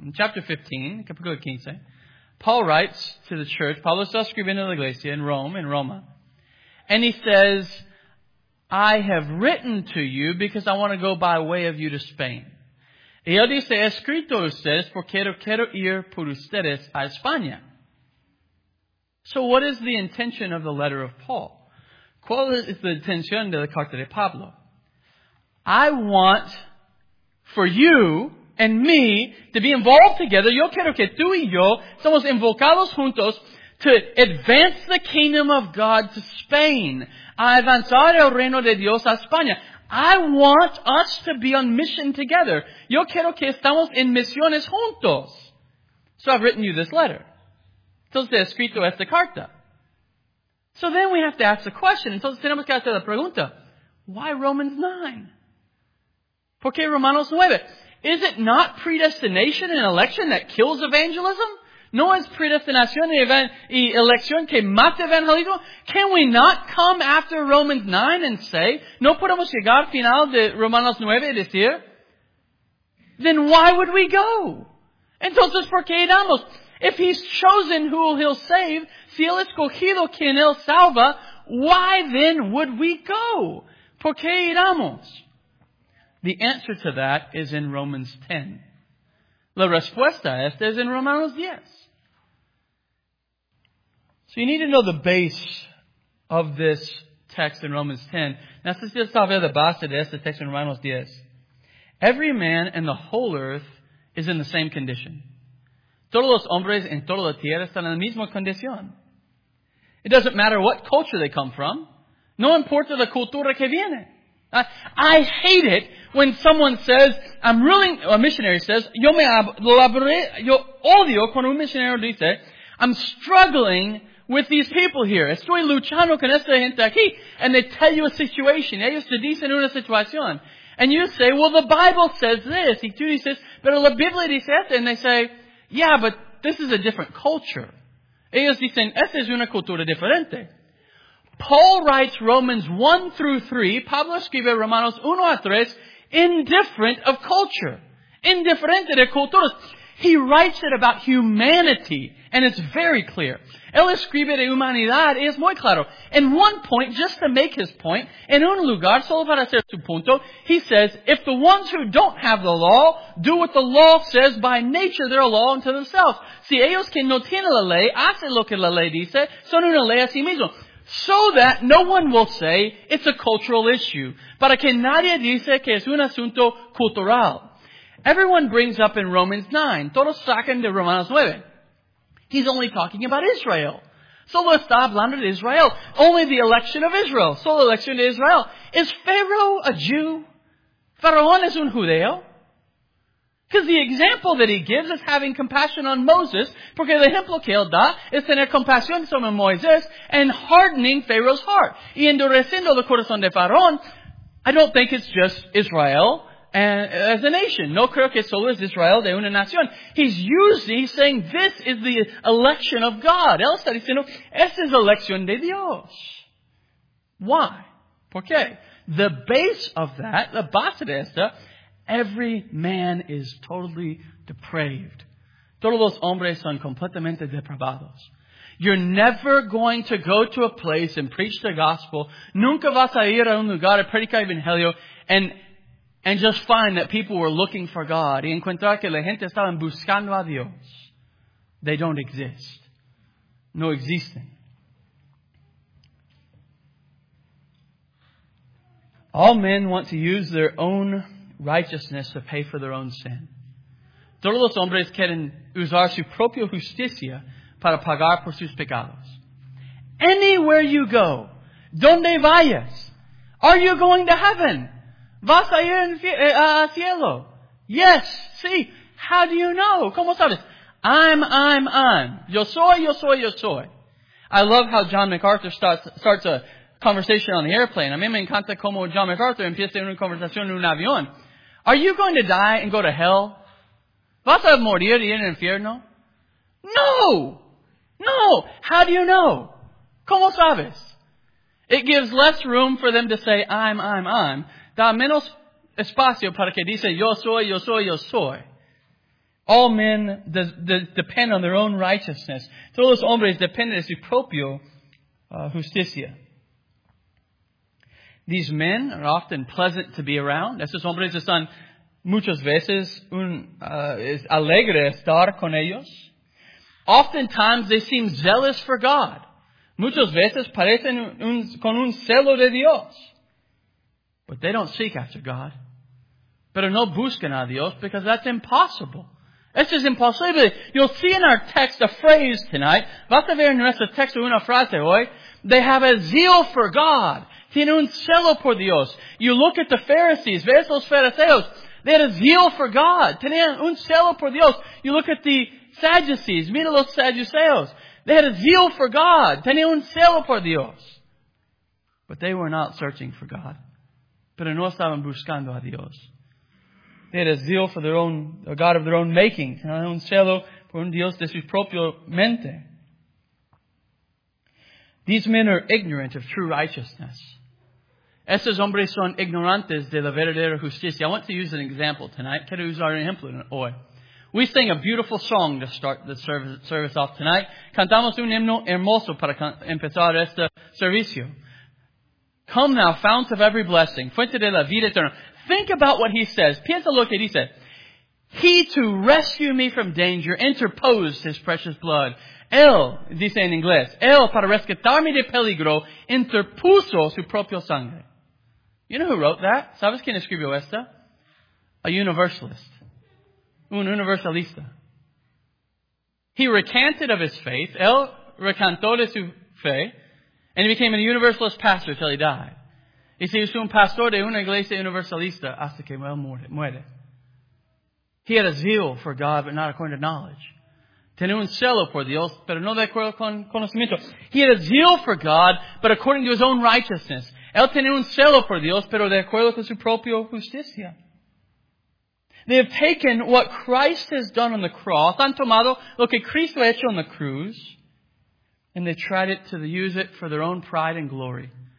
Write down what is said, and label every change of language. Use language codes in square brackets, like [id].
[en] In chapter 15, [es] capítulo 15, [en] Paul writes to the church, [es] Pablo está escribiendo a la iglesia [en] in Rome, in Roma, and he says, I have written to you because I want to go by way of you to Spain. [es] Y él dice, he escrito a ustedes porque quiero ir por ustedes a España. [en] So what is the intention of the letter of Paul? [es] ¿Cuál es la intención de la carta de Pablo? [en] I want for you and me to be involved together. [es] Yo quiero que tú y yo somos involucrados juntos [en] to advance the kingdom of God to Spain. [es] A avanzar el reino de Dios a España. [en] I want us to be on mission together. [es] Yo quiero que estamos en misiones juntos. [en] So I've written you this letter. [es] Entonces he escrito esta carta. [en] So then we have to ask the question. [es] Entonces tenemos que hacer la pregunta. [en] Why Romans 9? [es] ¿Por qué Romanos 9? [en] Is it not predestination and election that kills evangelism? [es] ¿No es predestinación y elección que mata evangelismo? [en] Can we not come after Romans 9 and say, [es] no podemos llegar al final de Romanos 9 y decir, [en] then why would we go? [es] Entonces, ¿por qué damos? [en] If he's chosen who he'll save, [es] si él escogido quien él salva, [en] why then would we go? [es] ¿Por qué damos? [en] The answer to that is in Romans 10. [es] La respuesta a esta es en Romanos 10. [en] So you need to know the base of this text in Romans 10. [es] Necesitas saber la base de este texto en Romanos 10. [en] Every man in the whole earth is in the same condition. [es] Todos los hombres en toda la tierra están en la misma condición. [en] It doesn't matter what culture they come from. [es] No importa la cultura que viene. [en] I hate it when someone says, I'm really, a missionary says, [es] yo me laboré, yo odio cuando un missionary dice, [en] I'm struggling with these people here. [es] Estoy luchando con esta gente aquí. [en] And they tell you a situation. [es] Ellos te dicen una situación. [en] And you say, well, the Bible says this. He says, but [es] la Biblia dice esto. [en] And they say, yeah, but this is a different culture. [es] Ellos dicen, esta es una cultura diferente. [en] Paul writes Romans 1 through 3. [es] Pablo escribe Romanos 1 a 3. [en] Indifferent of culture. [es] Indiferente de culturas. [en] He writes it about humanity. And it's very clear. [es] Él escribe de humanidad. Es muy claro. [en] In one point, just to make his point, [es] en un lugar, solo para hacer su punto, [en] he says, if the ones who don't have the law do what the law says, by nature, they're a law unto themselves. [es] Si ellos que no tienen la ley, hacen lo que la ley dice, son una ley a sí mismos. [en] So that no one will say it's a cultural issue. [es] Para que nadie dice que es un asunto cultural. [en] Everyone brings up in Romans 9. [es] Todos sacan de Romanos 9. [en] He's only talking about Israel. [es] Solo está hablando de Israel. [en] Only the election of Israel. [es] Solo election de Israel. [en] Is Pharaoh a Jew? [es] Faraón es un judeo? [en] Because the example that he gives is having compassion on Moses, [es] porque el ejemplo que él da es tener compasión sobre Moisés [en] and hardening Pharaoh's heart. [es] Y endureciendo el corazón de Faraón, [en] I don't think it's just Israel and, as a nation. [es] No creo que solo es Israel de una nación. [en] He's saying this is the election of God. [es] Él está diciendo, esta es la elección de Dios. [en] Why? [es] ¿Por qué? [en] The base of that, [es] la base de esta, [en] every man is totally depraved. [es] Todos los hombres son completamente depravados. [en] You're never going to go to a place and preach the gospel. [es] Nunca vas a ir a un lugar a predicar evangelio [en] and just find that people were looking for God. [es] Y encontrar que la gente estaban buscando a Dios. [en] They don't exist. No existen. All men want to use their own righteousness to pay for their own sin. [es] Todos los hombres quieren usar su propia justicia para pagar por sus pecados. [en] Anywhere you go, [es] donde vayas, [en] are you going to heaven? [es] ¿Vas a ir al cielo? [en] Yes, [es] sí. [en] How do you know? [es] ¿Cómo sabes? I'm. [en] Yo soy, yo soy, yo soy. I love how John MacArthur starts a conversation on the airplane. [es] A mí me encanta cómo John MacArthur empieza una conversación en un avión. [en] Are you going to die and go to hell? [es] ¿Vas a morir y ir al infierno? No! No! [en] How do you know? [es] ¿Cómo sabes? [en] It gives less room for them to say, I'm. [es] Da menos espacio para que dice, yo soy, yo soy, yo soy. [en] All men depend on their own righteousness. [es] Todos los hombres dependen de su propio justicia. [en] These men are often pleasant to be around. [es] Estos hombres están muchas veces es alegre estar con ellos. [en] Oftentimes they seem zealous for God. [es] Muchas veces parecen con un celo de Dios. [en] But they don't seek after God. [es] Pero no buscan a Dios [en] because that's impossible. [es] Esto es imposible. [en] You'll see in our text a phrase tonight. [es] Vas a ver en nuestro texto una frase hoy. [en] They have a zeal for God. [es] Tiene un celo por Dios. [en] You look at the Pharisees. [es] Ves los fariseos. [en] They had a zeal for God. [es] Tenían un celo por Dios. [en] You look at the Sadducees. [es] Mira los Saduceos. [en] They had a zeal for God. [es] Tenían un celo por Dios. [en] But they were not searching for God. [es] Pero no estaban buscando a Dios. [en] They had a zeal for their own, a God of their own making. [es] Tenían un celo por un Dios de su propia mente. [en] These men are ignorant of true righteousness. [es] Estos hombres son ignorantes de la verdadera justicia. [en] I want to use an example tonight. [es] Quiero usar un ejemplo hoy. [en] We sing a beautiful song to start the service off tonight. [es] Cantamos un himno hermoso para empezar este servicio. [en] Come now, fount of every blessing, [es] fuente de la vida eterna. [en] Think about what he says. Piensa lo que dice. He to rescue me from danger interposed his precious blood. [es] Él, dice en inglés, él para rescatarme de peligro, interpuso su propio sangre. [en] You know who wrote that? [es] ¿Sabes quién escribió esta? [en] A universalist. [es] Un universalista. [en] He recanted of his faith, [es] él recantó de su fe, [en] and he became a universalist pastor till he died. [es] Y se hizo un pastor de una iglesia universalista hasta que él muere. [en] He had a zeal for God, but not according to knowledge. [es] Tenía un celo por Dios, pero no de acuerdo con conocimiento. [en] He had a zeal for God, but according to his own righteousness. [es] Él tenía un celo por Dios, pero de acuerdo con su propia justicia. [en] They have taken what Christ has done on the cross, [es] han tomado lo que Cristo ha hecho en la cruz, [en] and they tried it to use it for their own pride and glory.